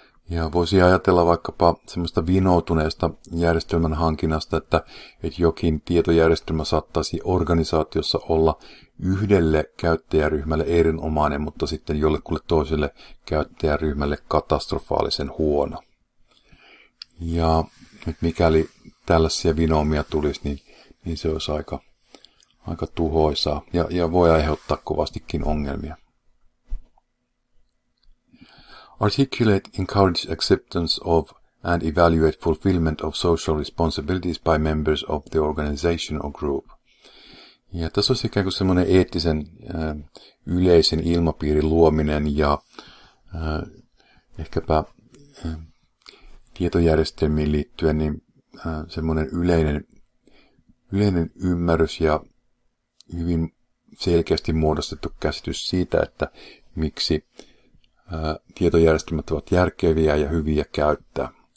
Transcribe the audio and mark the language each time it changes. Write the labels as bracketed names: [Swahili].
[Finnish] Ja voisi ajatella vaikkapa semmoista vinoutuneesta järjestelmän hankinnasta, että jokin tietojärjestelmä saattaisi organisaatiossa olla yhdelle käyttäjäryhmälle erinomainen, mutta sitten jollekulle toiselle käyttäjäryhmälle katastrofaalisen huono. Ja mikäli tällaisia vinoomia tulisi, niin se olisi aika tuhoisaa ja voi aiheuttaa kovastikin ongelmia. [English] Articulate, encourage acceptance of and evaluate fulfillment of social responsibilities by members of the organization or group. [Finnish] Ja tässä olisi ikään kuin semmoinen eettisen yleisen ilmapiirin luominen ja ehkäpä tietojärjestelmiin liittyen niin semmoinen yleinen ymmärrys ja hyvin selkeästi muodostettu käsitys siitä, että miksi tietojärjestelmät ovat järkeviä ja hyviä käyttää.